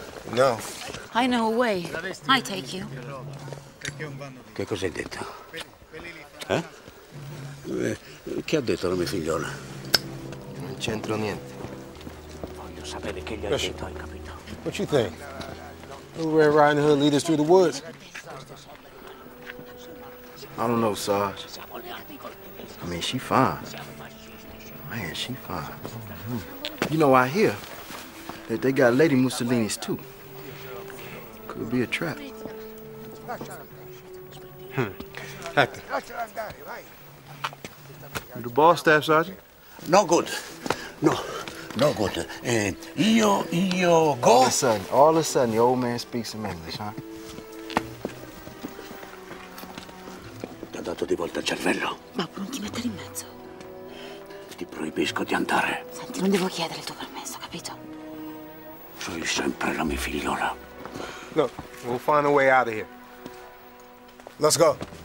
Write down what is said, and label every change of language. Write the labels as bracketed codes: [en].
[en] No. I know a way. I take you. [it] Che cosa hai detto? Che ha detto la mia figliola? Non c'entro niente. Voglio sapere che gli hai detto, hai capito? [en] What you think? Who Red Riding Hood lead us through the woods? I don't know, Sarge. I mean, she fine. Man, she fine. Mm-hmm. You know, I hear that they got Lady Mussolini's too. Could be a trap. The boss staff, Sergeant? No good. No good. Io go. All of a sudden, the old man speaks some English, huh? [it] Ti ha dato di volta il cervello. Ma non ti mettere in mezzo. Ti proibisco di andare. Senti, non devo chiedere il tuo permesso, capito? Sei sempre la mia figliola. [en] Look, we'll find a way out of here. Let's go.